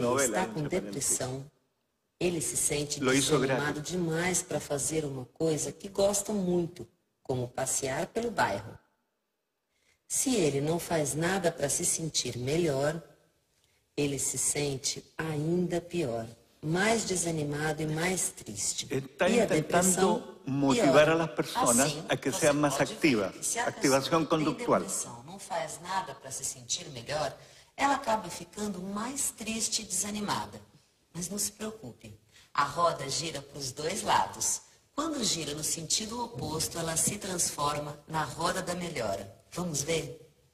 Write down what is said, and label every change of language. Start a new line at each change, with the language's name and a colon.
Portuguese: Quando ele está com depressão, ele se sente desanimado demais para fazer uma coisa que gosta muito, como passear pelo bairro. Se ele não faz nada para se sentir melhor, ele se sente ainda pior, mais desanimado e mais triste.
Spanish: Está tentando motivar a las personas a que sean más activas, activación conductual.
Portuguese: Se a pessoa não faz nada para se sentir melhor, ela acaba ficando mais triste e desanimada. Mas não se preocupe, a roda gira para os dois lados. Quando gira no sentido oposto, ela se transforma na roda da melhora. Vamos ver?